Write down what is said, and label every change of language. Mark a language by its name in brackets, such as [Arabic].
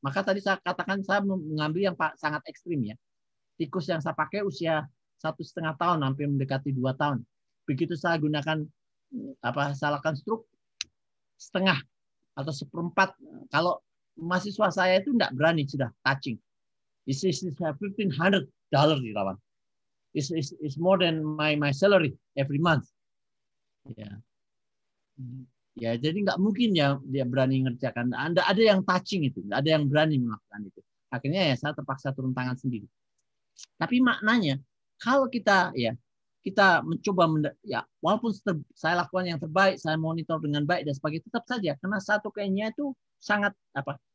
[Indonesian] Maka tadi saya katakan saya mengambil yang sangat ekstrim ya. Tikus yang saya pakai usia 1,5 tahun, hampir mendekati 2 tahun. Begitu saya gunakan apa? Saya lakukan stroke setengah atau seperempat. Kalau mahasiswa saya itu enggak berani sudah touching. [English] This is $1,500 [Indonesian] dirawat. [English] It's more than my salary every month. [Indonesian] Ya, jadi nggak mungkin ya dia berani ngerjakan. Anda ada yang touching itu, ada yang berani melakukan itu. Akhirnya ya saya terpaksa turun tangan sendiri. Tapi maknanya kalau kita mencoba ya walaupun saya lakukan yang terbaik, saya monitor dengan baik dan sebagainya, tetap saja karena satu kayaknya itu sangat apa?